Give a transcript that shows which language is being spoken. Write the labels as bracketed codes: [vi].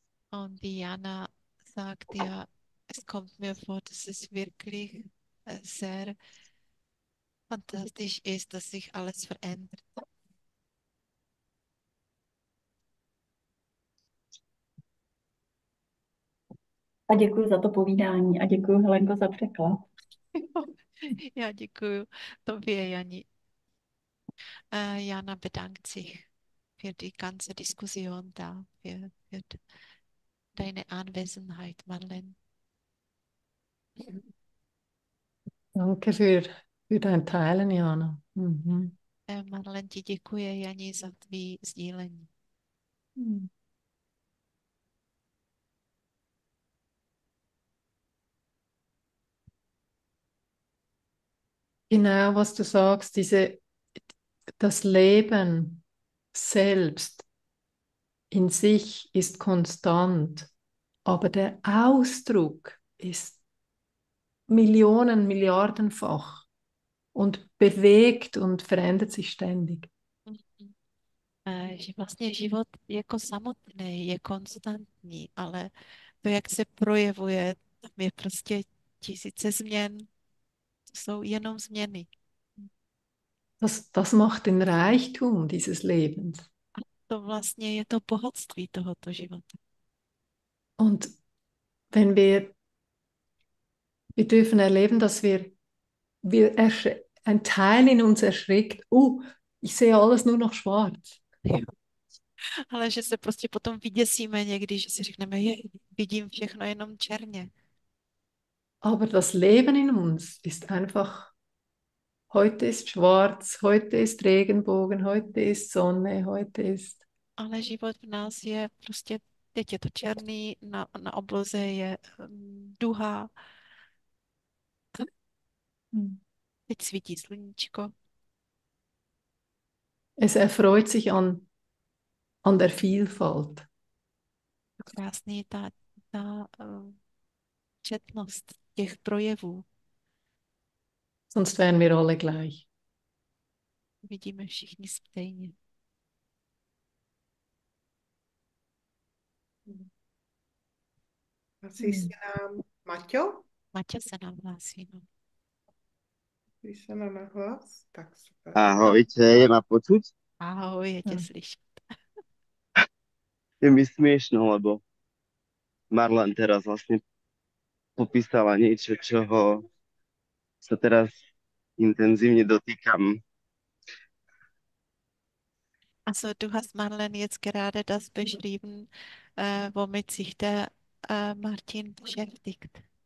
[de] Und Diana sagt ja, es kommt mir vor, dass es wirklich sehr fantastisch ist, dass sich alles verändert. [cs] A děkuji za to povídání a děkuji, Helenko, za překlad. Já děkuji tobě, Jani. [de] Jana bedankt sich für die ganze Diskussion da, für deine Anwesenheit, Marlene. Danke für dein Teilen, Jana. [cs] Marlene, ti děkuji, Jani, za tvý sdílení. [de] Genau, was du sagst, das Leben selbst in sich ist konstant, aber der Ausdruck ist Millionen, Milliardenfach und bewegt und verändert sich ständig. [cs] Že vlastně život jako samotný je konstantní, ale to, jak se projevuje, tam je prostě tisíce změn. To jsou jenom změny. [de] Das macht den Reichtum dieses Lebens. [cs] A to vlastně je to bohatství tohoto života. [de] Und wenn wir dürfen erleben, dass wir ein Teil in uns erschreckt. Ich sehe alles nur noch schwarz. [cs] Ale že se prostě potom vyděsíme někdy, že si řekneme, je, vidím všechno jenom černě. [de] Aber das Leben in uns ist einfach. Heute ist schwarz, heute ist Regenbogen, heute ist Sonne, heute ist. [cs] Ale život v nás je prostě, teď je to černý, na obloze je duha. Teď svítí sluníčko. [de] Es erfreut sich an der Vielfalt. [cs] Krásný ta četnost těch projevů. [de] Sonst wären wir alle gleich. [cs] Vidíme všichni stejně. Hlásí se nám Maťo? Maťa se nám hlásí. No. Když se nám nahlas, tak super. [sk] Ahoj, je na počuť? [cs] Ahoj, je tě slyšet. [sk] Je mi směšno, lebo Marlen teraz vlastně popísala něco, čeho se teraz intenzivně dotýkám. [de] Also du hast Marlen jetzt gerade das beschrieben, womit sich der Martin beschäftigt.